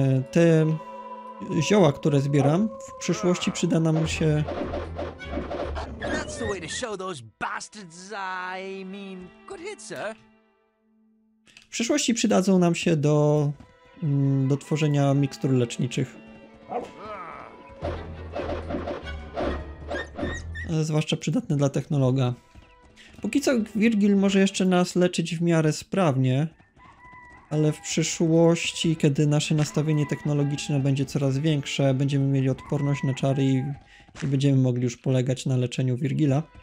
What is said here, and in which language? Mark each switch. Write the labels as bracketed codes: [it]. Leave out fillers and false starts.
[pl] Te zioła, które zbieram, w przyszłości przyda nam się. [en] That's the way to show those bastards I mean good hit, sir. [pl] W przyszłości przydadzą nam się do tworzenia mikstur leczniczych. Zwłaszcza przydatne dla technologa. Póki co Virgil może jeszcze nas leczyć w miarę sprawnie, ale w przyszłości, kiedy nasze nastawienie technologiczne będzie coraz większe, będziemy mieli odporność na czary i będziemy mogli już polegać na leczeniu Virgila.